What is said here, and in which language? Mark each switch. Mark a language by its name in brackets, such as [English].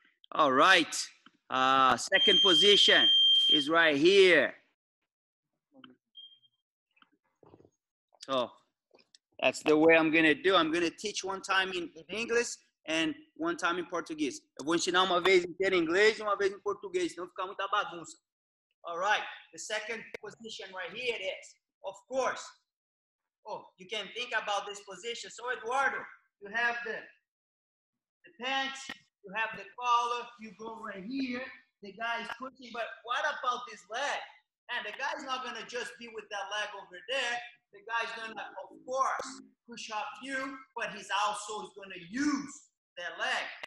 [English] All right. Second position is right here. So that's the way I'm going to do. I'm going to teach one time in English. And one time in Portuguese. [Portuguese] Eu vou ensinar uma vez inteira em inglês e uma vez em português, senão fica muita bagunça. [English] All right, the second position right here it is. Of course, oh, you can think about this position. So, Eduardo, you have the pants, you have the collar, you go right here, the guy is pushing, but what about this leg? And the guy's not gonna just be with that leg over there. The guy's gonna, of course, push up you, but he's also gonna use that leg.